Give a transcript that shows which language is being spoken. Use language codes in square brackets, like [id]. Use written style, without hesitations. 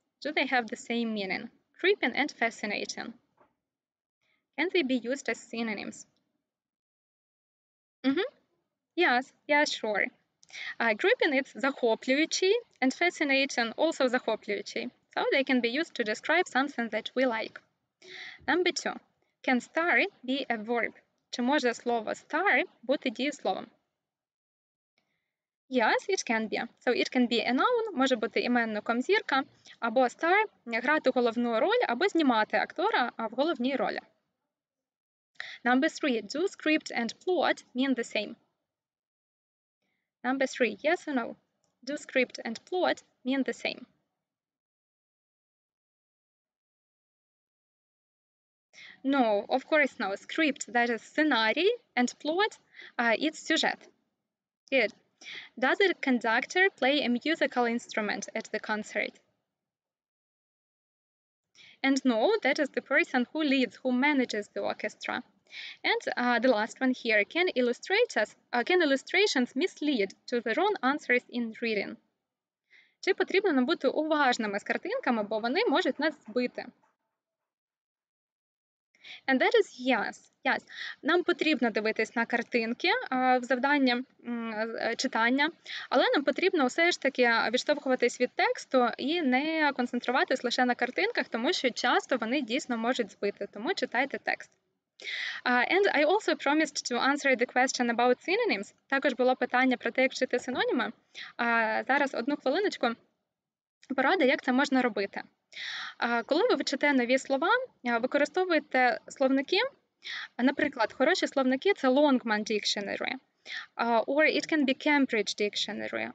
[en] Do they have the same meaning? Creeping and fascinating. Can they be used as synonyms? Yes, yeah, sure. Gripping it's [uk] захоплюючий [en] and fascinating also [uk] захоплюючий. [en] So they can be used to describe something that we like. Number two. Can star be a verb? [uk] Чи може слово star бути дієсловом? [en] Yes, it can be. So it can be a noun, [uk] може бути іменником зірка, або star грати головну роль, або знімати актора в головній ролі. [en] Number three. Do script and plot mean the same? Number three, yes or no? Do script and plot mean the same? No, of course no. Script, that is scenarii, and plot, it's [uk] сюжет. [en] Good. Does a conductor play a musical instrument at the concert? And no, that is the person who leads, who manages the orchestra. And the last one here, can illustrations mislead to the wrong answers in reading? [uk] Чи потрібно нам бути уважними з картинками, бо вони можуть нас збити? [en] And that is yes. Yes. [uk] Нам потрібно дивитись на картинки в завданні читання, але нам потрібно все ж таки відштовхуватись від тексту і не концентруватись лише на картинках, тому що часто вони дійсно можуть збити. Тому читайте текст. [en] And I also promised to answer the question about synonyms. [uk] Також було питання про те, як вчити синоніми. Зараз одну хвилиночку. Порада, як це можна робити. Коли ви вчите нові слова, використовуйте словники. Наприклад, хороші словники – це Longman Dictionary. [en] Or it can be Cambridge Dictionary.